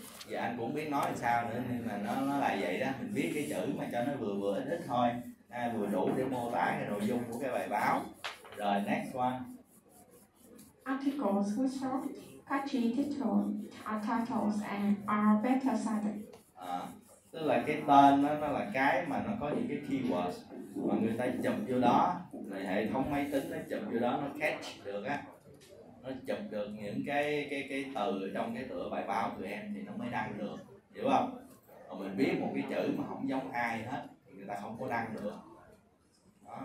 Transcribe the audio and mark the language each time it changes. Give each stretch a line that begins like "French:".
Vietnamese: Và anh cũng biết nói là sao nữa, nên là nó là vậy đó. Mình viết cái chữ mà cho nó vừa vừa ít ít thôi, à, vừa đủ để mô tả cái nội dung của cái bài báo.
English: Rồi, next one. Articles with short, catchy titles and are better cited.
Vietnamese: Tức là cái tên nó là cái mà nó có những cái keywords mà người ta chụp vô đó, rồi hệ thống máy tính nó chụp vô đó, nó catch được á, nó chụp được những cái từ trong cái tựa bài báo của em thì nó mới đăng được, hiểu không? Còn mình viết một cái chữ mà không giống ai hết thì người ta không có đăng được đó.